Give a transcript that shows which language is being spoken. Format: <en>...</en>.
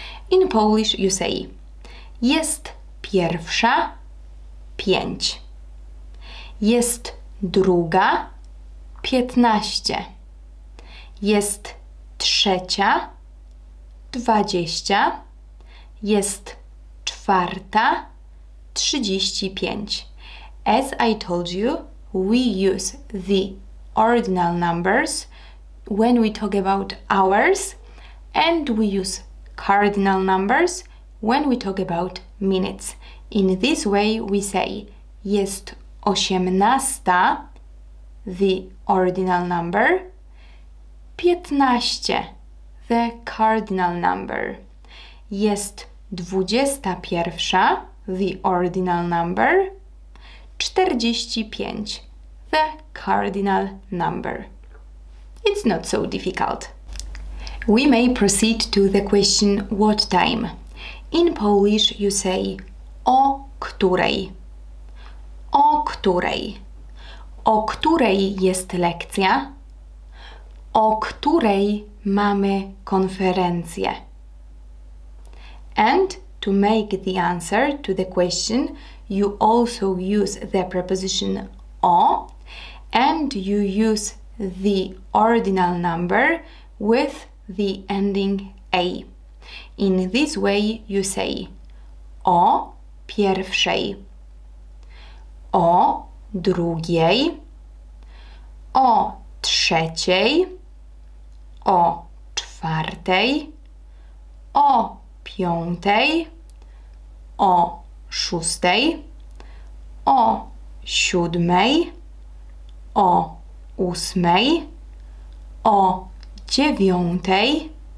<en>In Polish you say</en> <pl>jest pierwsza 5, jest druga 15, jest trzecia 20, jest czwarta 35.</pl> <en>As I told you, we use the ordinal numbers when we talk about hours, and we use cardinal numbers when we talk about minutes. In this way we say</en> <pl>jest 18,</pl> <en>the ordinal number, 15, the cardinal number,</en> <pl>jest 21,</pl> <en>the ordinal number, 45, the cardinal number. It's not so difficult. We may proceed to the question, what time? In Polish you say</en> <pl>o której. O której. O której jest lekcja? O której mamy konferencję?</pl> <en>And to make the answer to the question, you also use the preposition o, and you use the ordinal number with the ending a. In this way you say</en> <pl>o pierwszej, o drugiej, o trzeciej, o czwartej, o piątej, o szóstej, o siódmej, o ósmej, o dziewiątej,</pl>